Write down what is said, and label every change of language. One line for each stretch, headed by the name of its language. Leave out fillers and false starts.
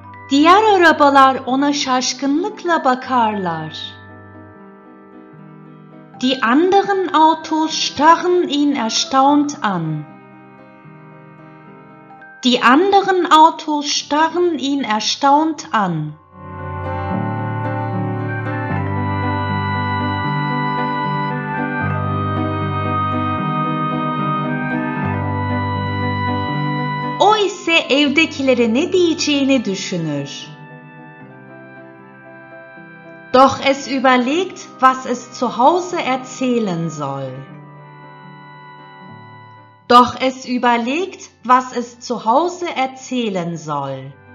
Turkish: Diğer arabalar ona şaşkınlıkla bakarlar.
German: Die anderen Autos starren ihn erstaunt an. Die anderen Autos starren ihn erstaunt an.
Turkish: O ise evdekilere ne diyeceğini düşünür.
German: Doch es überlegt, was es zu Hause erzählen soll. Doch es überlegt, was es zu Hause erzählen soll.